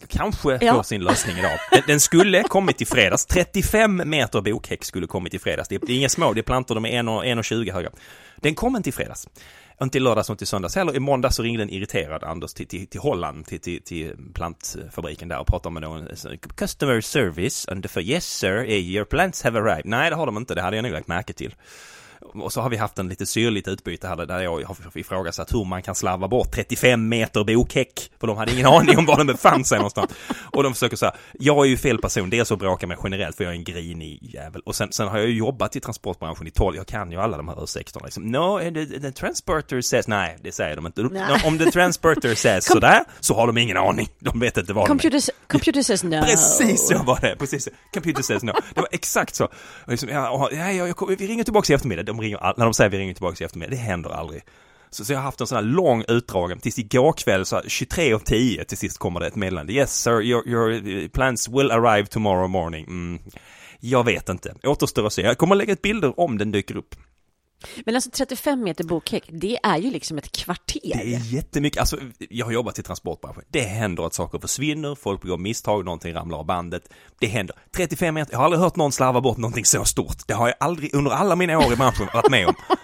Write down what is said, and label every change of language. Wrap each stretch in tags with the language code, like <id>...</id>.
<sv>Kanske får sin lösning idag. Den skulle kommit i fredags. 35 meter bokhäck skulle kommit i fredags. Det är inga små, det är plantor, de är 1,20 höga. Den kom inte i fredags. Inte i lördags, inte i söndags heller. I måndag så ringde en irriterad Anders till Holland, till plantfabriken där och pratade med någon.</sv> <en>Customer service, and for yes sir, your plants have arrived.</en> <sv>Nej, det har de inte, det hade jag nog lagt märke till. Och så har vi haft en lite syrligt utbyte här där jag har ifrågasatt hur man kan slarva bort 35 meter bokhäck. För de hade ingen aning om var de befann sig någonstans. Och de försöker säga, jag är ju fel person. Dels att bråka mig generellt för jag är en grinig jävel. Och sen har jag ju jobbat i transportbranschen i 12. Jag kan ju alla de här ursäkterna. Liksom, no, the transporter says, nej, det säger de inte. No, om the transporter says sådär så har de ingen aning. De vet inte var</sv> <en>computer,</en> <sv>de är.</sv> <en>Computer says no.</en> <sv>Precis så var det. Precis. Computer says no. Det var exakt så. Och liksom, vi ringer tillbaka i eftermiddag. När de säger vi ringer tillbaka i eftermiddag, det händer aldrig. Så jag har haft en sån här lång utdragen tills igår kväll, så 23:10 till sist kommer det ett meddelande.</sv> <en>Yes sir, your plants will arrive tomorrow morning.</en> <sv>Mm. Jag vet inte. Återstår att se. Jag kommer att lägga ett bilder om den dyker upp. Men alltså 35 meter bokhäck, det är ju liksom ett kvarter. Det är jättemycket. Alltså, jag har jobbat i transportbranschen. Det händer att saker försvinner, folk begår misstag, någonting ramlar av bandet. Det händer. 35 meter, jag har aldrig hört någon slarva bort någonting så stort. Det har jag aldrig under alla mina år i branschen varit med om.</sv>